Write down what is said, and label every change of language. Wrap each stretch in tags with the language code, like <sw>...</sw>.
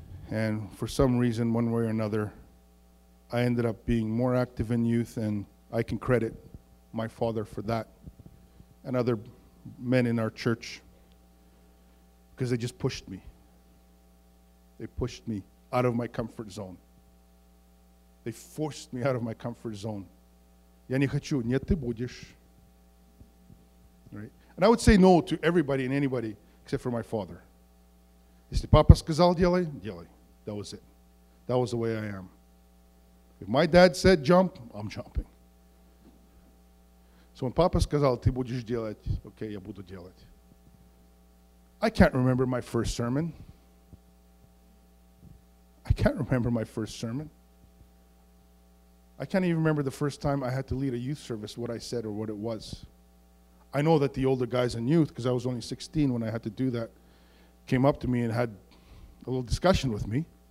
<en>And for some reason, one way or another, I ended up being more active in youth, and I can credit my father for that and other men in our church because they just pushed me. They pushed me out of my comfort zone. They forced me out of my comfort zone.</en> <ru>Я не хочу, нет, ты будешь.</ru> <en>Right? And I would say no to everybody and anybody except for my father.</en> <ru>Если папа сказал, делай, делай.</ru> <en>That was it. That was the way I am. If my dad said jump, I'm jumping. So when</en> <ru>папа сказал, ты будешь делать, okay, я буду делать.</ru> <en>I can't remember my first sermon. I can't remember my first sermon. I can't even remember the first time I had to lead a youth service, what I said or what it was. I know that the older guys in youth, because I was only 16 when I had to do that, came up to me and had a little discussion with me.</en>